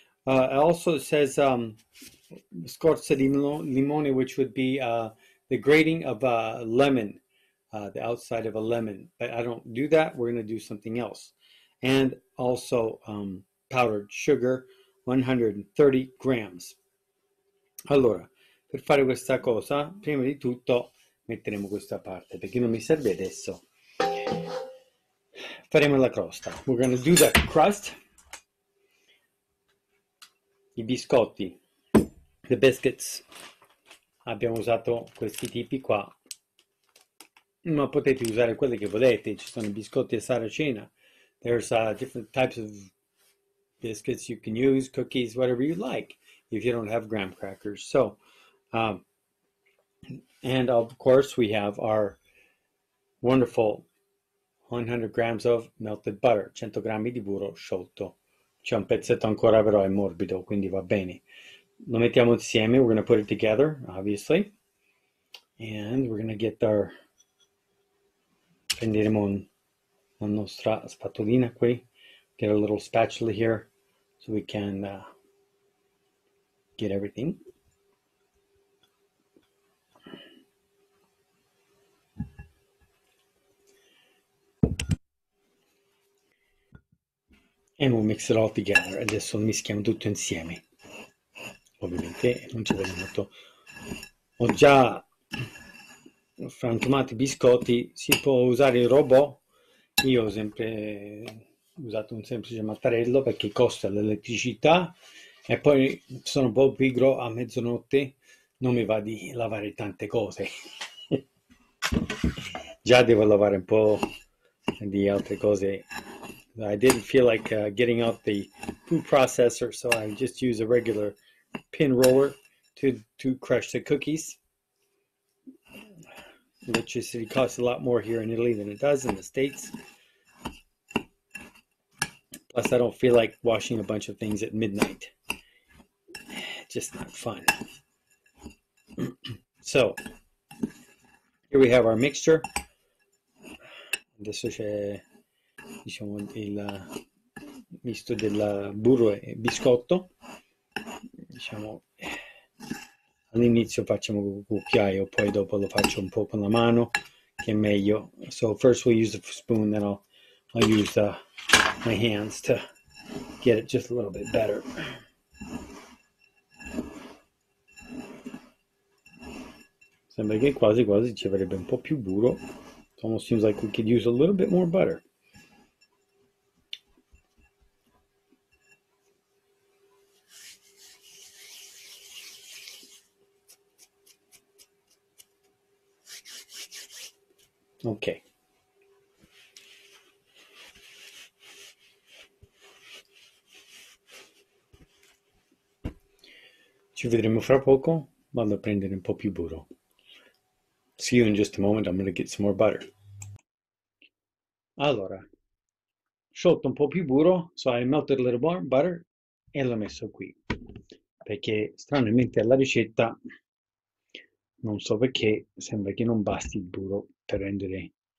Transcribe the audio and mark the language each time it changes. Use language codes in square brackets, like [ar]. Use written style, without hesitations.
[en] Also it says scorza di limone, which would be the grating of a lemon, the outside of a lemon. But I don't do that. We're going to do something else. And also powdered sugar, 130 grams. [it] Allora, per fare questa cosa, prima di tutto metteremo questa parte perché non mi serve adesso. Faremo la crosta. [en] We're gonna do the crust. [it] I biscotti, [en] the biscuits. [it] Abbiamo usato questi tipi qua, ma potete usare quelli che volete. Ci sono i biscotti a saracena. [en] There's different types of biscuits you can use, cookies, whatever you like, if you don't have graham crackers. So, and of course, we have our wonderful 100 grams of melted butter, [it] 100 grammi di burro sciolto. C'è un pezzetto ancora, però è morbido, quindi va bene. Lo mettiamo insieme, [en] we're going to put it together, obviously. And we're going to get our. [it] Prenderemo la nostra spatolina qui, [en] get a little spatula here. So we can get everything. And we'll mix it all together. [it] Adesso lo mischiamo tutto insieme. Ovviamente non ci vuole molto. Ho già frantumato i biscotti. Si può usare il robot. Io ho sempre usato un semplice mattarello perché costa l'elettricità. E poi sono un po' pigro, a mezzanotte non mi va di lavare tante cose. Già devo lavare un po' di altre cose. [en] I didn't feel like getting out the food processor, so I just use a regular pin roller to crush the cookies. Electricity costs a lot more here in Italy than it does in the States. Plus, I don't feel like washing a bunch of things at midnight. Just not fun. So, here we have our mixture. [it] Adesso c'è, diciamo, il misto del burro e biscotto. Diciamo, all'inizio facciamo con il cucchiaio, poi dopo lo faccio un po' con la mano, che è meglio. [en] So first we'll use the spoon, then I'll use my hands to get it just a little bit better. [it] Sembra che quasi quasi ci avrebbe un po' più burro. [en] It almost seems like we could use a little bit more butter. Ok. [it] Ci vedremo fra poco. Vado a prendere un po' più burro. [en] See you in just a moment, I'm going to get some more butter. [it] Allora, sciolto un po' più burro, [en] so I melted a little more butter [it] e l'ho messo qui. Perché stranamente alla ricetta, non so perché, sembra che non basti il burro per rendere.